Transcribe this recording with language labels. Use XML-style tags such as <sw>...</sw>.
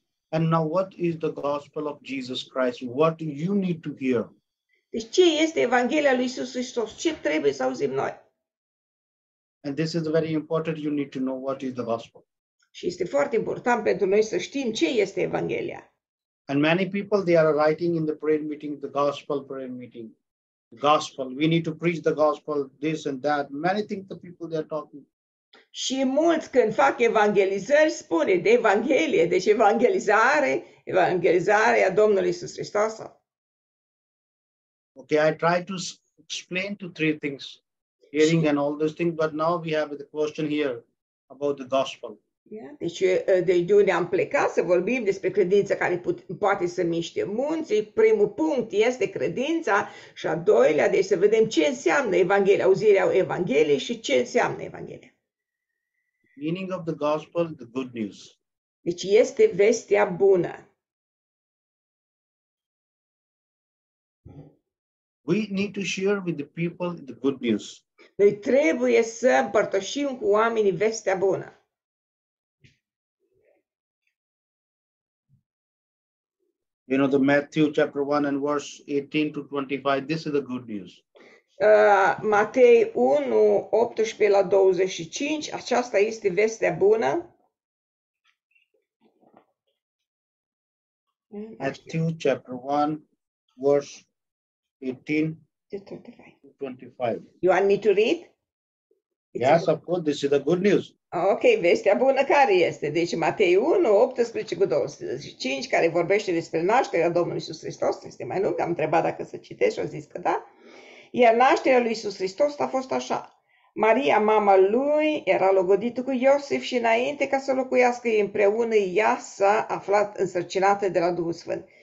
<en>And now what is the gospel of Jesus Christ? What do you need to hear?</en> <ro>Deci ce este Evanghelia lui Iisus Hristos? Ce trebuie să auzim noi?</ro> <en>And this is very important, you need to know what is the gospel.</en> <ro>Și este foarte important pentru noi să știm ce este Evanghelia.</ro> <en>And many people, they are writing in the prayer meeting, the gospel prayer meeting. Gospel, we need to preach the gospel, this and that. Many things the people, they are talking.</en> <ro>Și mulți când fac evangelizări spune de Evanghelie, deci evangelizarea Domnului Iisus Hristos.</ro> <en>Okay, I tried to explain to three things, hearing and all those things, but now we have the question here about the gospel.</en> <ro>Yeah, deci de unde am plecat să vorbim despre credința care poate să miște munții. Primul punct este credința și a doilea, deci să vedem ce înseamnă Evanghelia, auzirea Evangheliei și ce înseamnă Evanghelia.</ro> <en>Meaning of the gospel, the good news.</en> <ro>Deci este vestea bună.</ro> <en>We need to share with the people the good news.</en> <ro>Noi trebuie să împărtășim cu oamenii vestea bună.</ro> <en>You know, the Matthew chapter 1 and verse 18 to 25, this is the good news.</en> <ro>Matei 1, 18 la 25, aceasta este vestea bună.</ro> <en>Matthew chapter 1, verse 18 to 25. You want me to read? It's yes, of course, this is the good news.</en> <ro>Ok, vestea bună care este? Deci Matei 1, 18 cu 25, care vorbește despre nașterea Domnului Iisus Hristos, este mai lung, am întrebat dacă să citești și a zis că da. Iar nașterea lui Iisus Hristos a fost așa. Maria, mama lui, era logodită cu Iosif și înainte ca să locuiască împreună, ea s-a aflat însărcinată de la Duhul Sfânt.</ro>